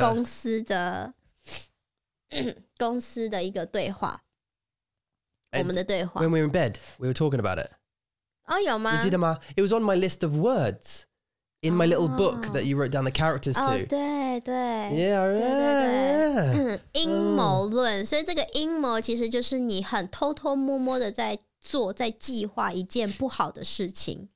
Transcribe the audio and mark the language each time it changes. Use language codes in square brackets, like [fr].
[zh] 公司的公司的一个对话？ [en] And、 [zh] 我们的对话。 [en] When we were in bed, we were talking about it. [zh] 哦，有吗？你记得吗 [en] ？It was on my list of words. In my little book that you wrote down the characters to. [zh] 对对。 [en] Yeah. [zh] 阴谋论，所以这个阴谋其实就是你很偷偷摸摸的在做，在计划一件不好的事情。